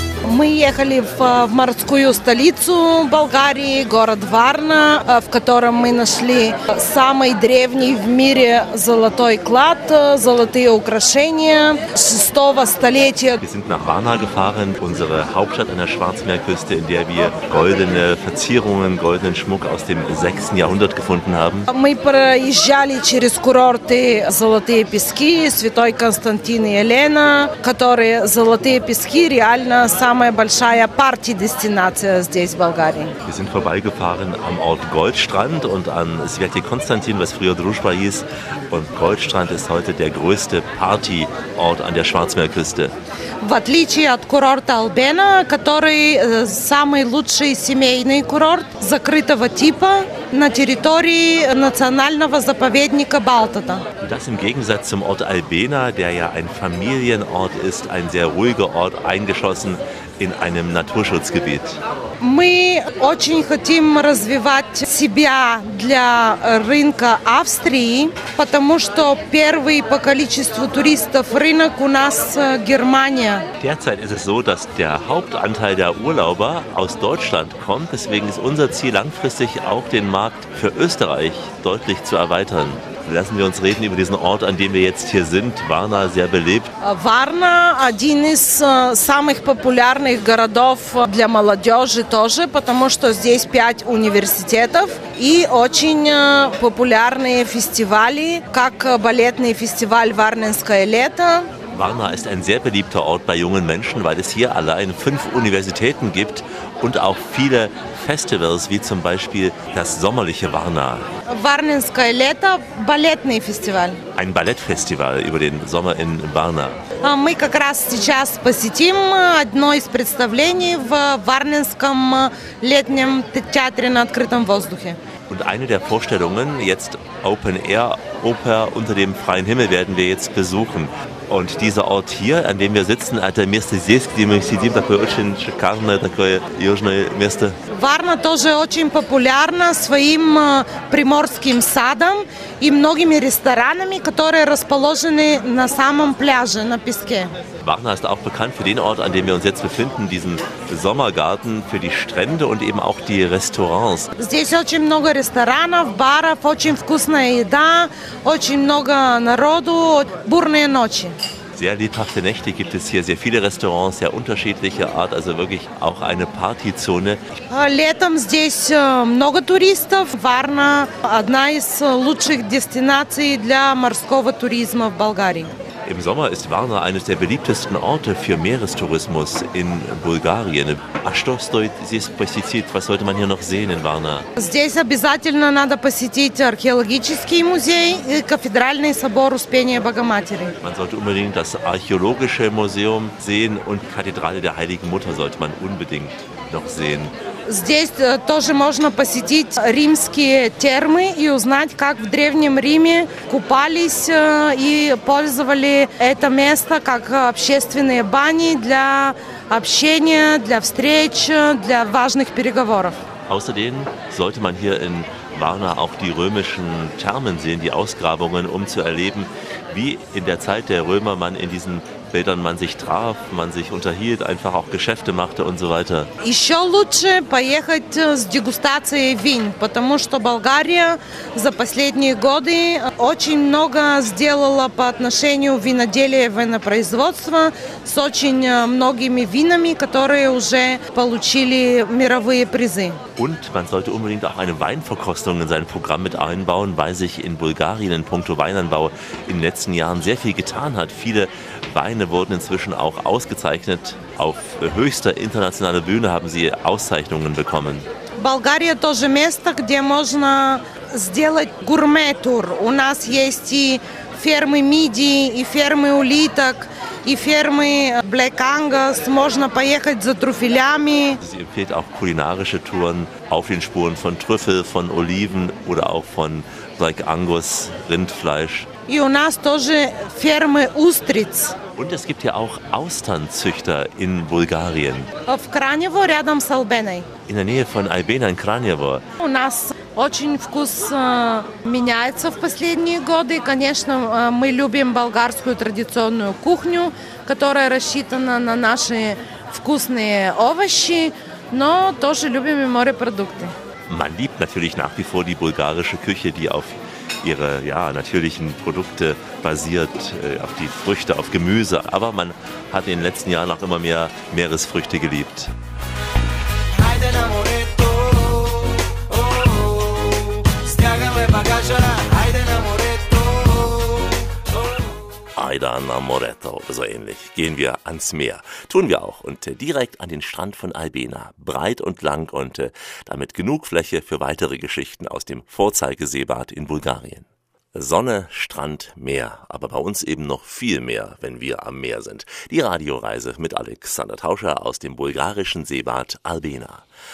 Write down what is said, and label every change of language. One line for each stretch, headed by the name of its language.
Russian: Мы ехали в морскую столицу Болгарии, город Варна, в котором мы нашли самый древний в мире золотой клад, золотые украшения 6-го столетия.
German: Wir sind nach Varna gefahren, unsere Hauptstadt an der Schwarzmeerküste, in der wir goldene Verzierungen, goldenen Schmuck aus dem 6. Jahrhundert gefunden haben.
Russian: Мы проезжали через курорты Золотые пески, Святой Константин и Елена, которые Золотые пески реально сам большая Party-Destination здесь, в Болгарии.
German: Wir sind vorbeigefahren am Ort Goldstrand und an Sveti Konstantin, was früher Druzhba hieß. Und Goldstrand ist heute der größte Party-Ort an der Schwarzmeerküste.
Russian: В отличие от курорта Альбена, который самый лучший семейный курорт закрытого типа на территории национального заповедника Балтата.
German: Das im Gegensatz zum Ort Albena, der ja ein Familienort ist, ein sehr ruhiger Ort, eingeschlossen in einem Naturschutzgebiet.
Russian: Мы очень хотим развивать себя для рынка Австрии, потому что первый по количеству туристов рынок у нас Германия.
German: Derzeit ist es so, dass der Hauptanteil der Urlauber aus Deutschland kommt. Deswegen ist unser Ziel langfristig auch den Markt für Österreich deutlich zu erweitern. Lassen wir uns reden über diesen Ort, an dem wir jetzt hier sind. Varna, sehr belebt.
Russian: Varna, один из самых популярных городов для молодежи тоже, потому что здесь 5 университетов и очень популярные фестивали, как балетный фестиваль «Варненское лето».
German: Varna ist ein sehr beliebter Ort bei jungen Menschen, weil es hier allein 5 Universitäten gibt und auch viele Festivals, wie zum Beispiel das sommerliche Varna.
Russian: Варненское лето – балетный фестиваль.
German: Ein Ballettfestival über den Sommer in Varna.
Russian: Мы как раз сейчас посетим одно из представлений в Варненском летнем театре на открытом воздухе.
German: Und eine der Vorstellungen, jetzt Open Air Oper unter dem freien Himmel, werden wir jetzt besuchen. Und dieser Ort hier, an dem wir sitzen,
Russian: это место здесь, где мы сидим, такое очень шикарное, такое южное место. Варна тоже очень популярна своим приморским садом и многими ресторанами, которые расположены на самом пляже, на песке.
German: Варна ist auch bekannt für den Ort, an dem wir uns jetzt befinden, diesen Sommergarten für die Strände und eben auch die Restaurants.
Russian: Здесь очень много ресторанов, баров, очень вкусная еда, очень много народу, бурные ночи.
German: Sehr lebhafte Nächte gibt es hier, sehr viele Restaurants, sehr unterschiedliche Art, also wirklich auch eine Partyzone.
Russian: Летом здесь много туристов. Варна одна из лучших дестинаций для морского туризма в Болгарии.
German: Im Sommer ist Varna eines der beliebtesten Orte für Meerestourismus in Bulgarien.
Russian: А что стоит здесь посетить?
German: Was sollte man hier noch sehen in Varna?
Russian: Здесь обязательно надо посетить археологический музей и кафедральный собор Успения Богоматери.
German: Man sollte unbedingt das archäologische Museum sehen und Kathedrale der Heiligen Mutter sollte man unbedingt noch sehen.
Russian: Здесь тоже можно посетить римские термы и узнать, как в Древнем Риме купались и пользовали это место как общественные бани для общения, для встреч, для важных переговоров.
German: Außerdem sollte man hier in Varna auch die römischen Thermen sehen, die Ausgrabungen, um zu erleben, wie in der Zeit der Römer man in diesen Bildern man sich traf, man sich unterhielt, einfach auch Geschäfte machte und so weiter.
Russian: Еще лучше поехать с дегустацией вин, потому что Болгария за последние годы очень много сделала по отношению виноделия и винопроизводства с очень многими винами, которые уже получили мировые призы.
German: Und man sollte unbedingt auch eine Weinverkostung in sein Programm mit einbauen, weil sich in Bulgarien in puncto Weinanbau in den letzten Jahren sehr viel getan hat. Viele Weine wurden inzwischen auch ausgezeichnet. Auf höchster internationaler Bühne haben sie Auszeichnungen bekommen.
Russian: Болгария тоже место, где можно сделать гурме-тур. У нас есть и фермы мидии, и фермы улиток. И фермы Black Angus, можно поехать за трюфелями.
German: Sie empfiehlt auch kulinarische Touren auf den Spuren von Trüffel, von Oliven oder auch von Black Angus, Rindfleisch.
Russian: И у нас тоже фермы устриц.
German: Und es gibt ja auch Austernzüchter in Bulgarien.
Russian: В Кранево, рядом с Албеной.
German: In der Nähe von Albena, in Kranjevo.
Russian: У нас очень вкус меняется в последние годы. Конечно, мы любим болгарскую традиционную кухню, которая рассчитана на наши вкусные овощи, но тоже любим и морепродукты.
German: Man liebt natürlich nach wie vor die bulgarische Küche, die auf ihre ja, natürlichen Produkte basiert, auf die Früchte, auf Gemüse. Aber man hat in den letzten Jahren auch immer mehr Meeresfrüchte geliebt.
Bulgarian: Айда на морето,
German: so ähnlich. Gehen wir ans Meer. Tun wir auch. Und direkt an den Strand von Albena. Breit und lang und damit genug Fläche für weitere Geschichten aus dem Vorzeigeseebad in Bulgarien. Sonne, Strand, Meer. Aber bei uns eben noch viel mehr, wenn wir am Meer sind. Die Radioreise mit Alexander Tauscher aus dem bulgarischen Seebad Albena.